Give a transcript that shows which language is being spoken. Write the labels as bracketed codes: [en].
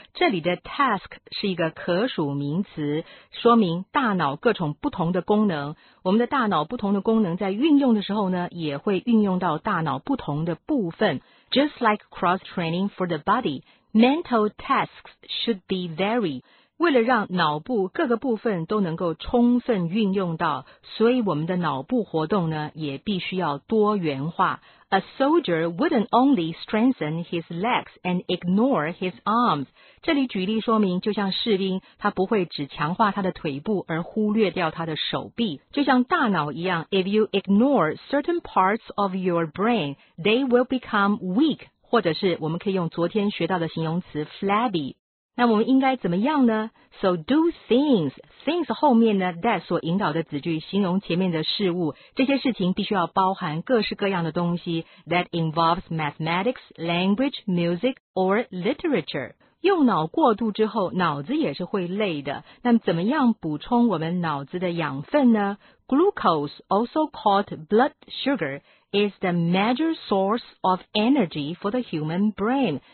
[zh] 这里的 task 是一个可数名词, 说明大脑各种不同的功能。我们的大脑不同的功能在运用的时候呢, 也会运用到大脑不同的部分。 [en] Just like cross-training for the body, mental tasks should be varied. [zh] 为了让脑部各个部分都能够充分运用到, 所以我们的脑部活动呢, 也必须要多元化。 [en] A soldier wouldn't only strengthen his legs and ignore his arms. [zh] 这里举例说明, 就像士兵, 他不会只强化他的腿部, 而忽略掉他的手臂。就像大脑一样, [en] if you ignore certain parts of your brain, they will become weak, [zh] 或者是我们可以用昨天学到的形容词 flabby。那我们应该怎么样呢? [en] So do things. [zh] Things 后面呢, that 所引导的子句, 形容前面的事物, 这些事情必须要包含各式各样的东西, [en] that involves mathematics, language, music, or literature. [zh] 用脑过度之后, 脑子也是会累的, 那么怎么样补充我们脑子的养分呢? [en] Glucose, also called blood sugar, is the major source of energy for the human brain.